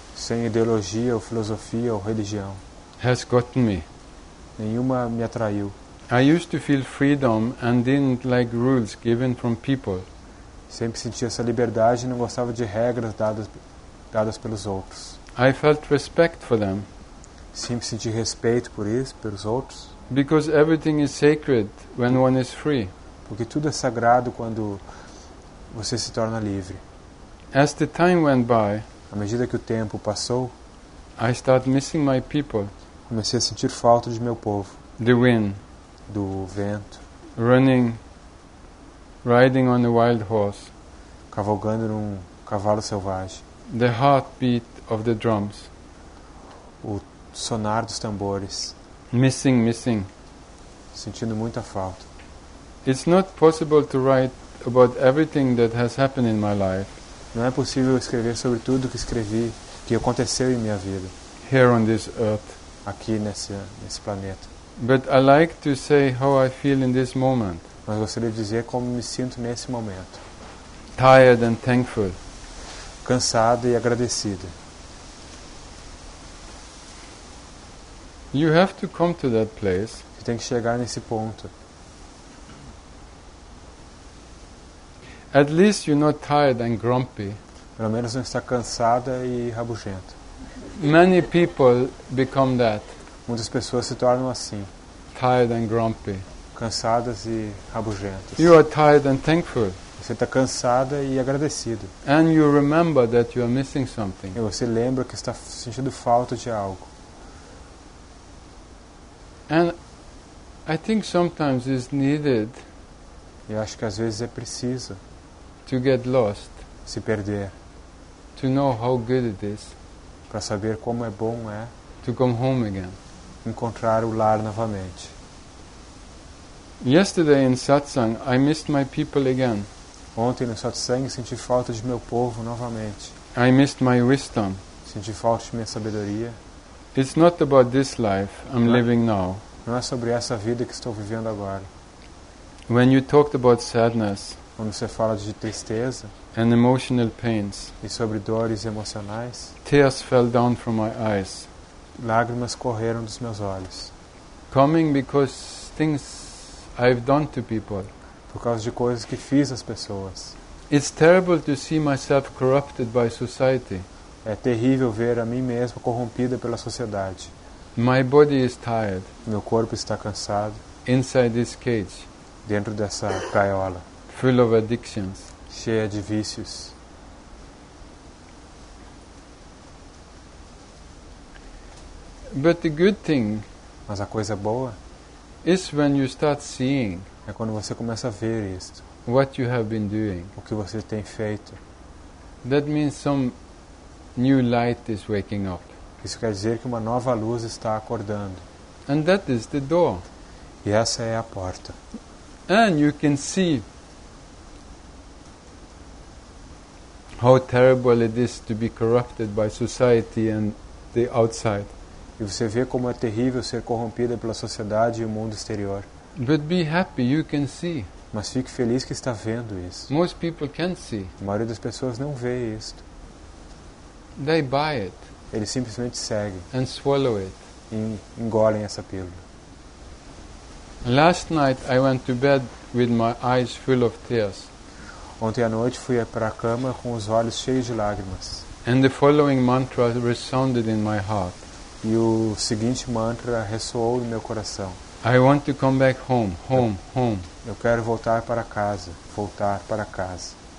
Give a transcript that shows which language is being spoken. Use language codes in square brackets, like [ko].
[pt] Sem ideologia ou filosofia ou religião. [en] Has gotten me. [pt] Nenhuma me atraiu. [en] I used to feel freedom and didn't like rules given from people. [pt] Sempre sentia essa liberdade e não gostava de regras dadas pelos outros. [en] I felt respect for them. [pt] Sempre senti respeito por isso, pelos outros. [en] Because everything is sacred when one is free. [pt] Porque tudo é sagrado quando você se torna livre. [en] As the time went by, [pt] à medida que o tempo passou, [en] I started missing my people. [pt] Comecei a sentir falta de meu povo. [en] The wind, [pt] do vento. [en] Running, riding on a wild horse. [pt] Cavalgando num cavalo selvagem. [en] The heartbeat of the drums. [pt] O sonar dos tambores. [en] Missing. [pt] Sentindo muita falta. [en] It's not possible to write about everything that has happened in my life. [pt] Não é possível escrever sobre tudo que escrevi, que aconteceu em minha vida. [en] Here on this earth. [pt] Aqui nesse planeta. [en] But I like to say how I feel in this moment. [pt] Mas gostaria de dizer como me sinto nesse momento. [en] Tired and thankful. [pt] Cansado e agradecido. [en] You have to come to that place. [pt] Você tem que chegar nesse ponto. [en] At least you're not tired and grumpy. [pt] Pelo menos não está cansada e rabugenta. [en] Many people become that. [pt] Muitas pessoas se tornam assim. [en] Tired and grumpy. [pt] Cansadas e rabugentas. [en] You are tired and thankful. [pt] Você está cansada e agradecida. [en] And you remember that you are missing something. [pt] E você lembra que está sentindo falta de algo. [en] And I think sometimes it's needed. [pt] Eu acho que às vezes é preciso. [en] To get lost. [pt] Se perder. [en] To know how good it is. [pt] Para saber como é bom é. [en] To come home again. [pt] Encontrar o lar novamente. [en] Yesterday in satsang I missed my people again. [pt] Ontem no satsang senti falta de meu povo novamente. [en] I missed my wisdom. [pt] Senti falta de minha sabedoria. [en] It's not about this life I'm living now. [pt] Não é sobre essa vida que estou vivendo agora. [en] When you talked about sadness, [pt] quando você fala de tristeza, [en] and emotional pains, [pt] e sobre dores emocionais, [en] tears fell down from my eyes. [pt] Lágrimas correram dos meus olhos. [en] Coming because things I've done to people. [pt] Por causa de coisas que fiz às pessoas. [en] It's terrible to see myself corrupted by society. [pt] É terrível ver a mim mesmo corrompida pela sociedade. [en] My body is tired. [pt] Meu corpo está cansado. [en] Inside this cage. [pt] Dentro dessa gaiola. [en] Full of addictions. [pt] Cheia de vícios. [en] But the good thing, [pt] mas a coisa boa, [en] is when you start seeing, [pt] é quando você começa a ver isto, [en] what you have been doing, [pt] o que você tem feito. [en] That means some new light is waking up. [pt] Isso quer dizer que uma nova luz está acordando. [en] And that is the door. [pt] E essa é a porta. [en] And you can see how terrible it is to be corrupted by society and the outside. [pt] E você vê como é terrível ser corrompida pela sociedade e o mundo exterior. [en] But be happy, you can see. [pt] Mas fique feliz que está vendo isso. [en] Most people can't see. [pt] A maioria das pessoas não vê isto. [en] They buy it. [pt] Eles simplesmente seguem. [en] And swallow it. [pt] E engolem essa pílula. [en] Last night I went to bed with my eyes full of tears. [pt] Ontem à noite fui para a cama com os olhos cheios de lágrimas. [en] And the following mantra resounded in my heart. [pt] E o seguinte mantra ressoou no meu coração. [en] I want to come back home, home, home. [pt] Eu quero voltar para casa, voltar para casa.